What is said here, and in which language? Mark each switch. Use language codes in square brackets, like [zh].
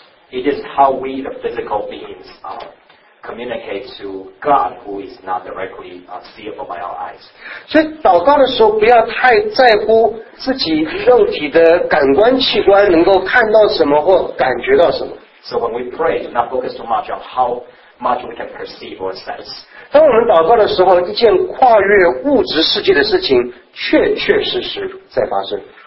[en] It is how we the physical beings communicate to God who is not directly seeable by our eyes. [zh] 所以祷告的时候不要太在乎自己肉体的感官器官能够看到什么或感觉到什么。 [en] So when we pray, do not focus too much on how much we can perceive or sense. [zh] 当我们祷告的时候，一件跨越物质世界的事情确确实实在发生。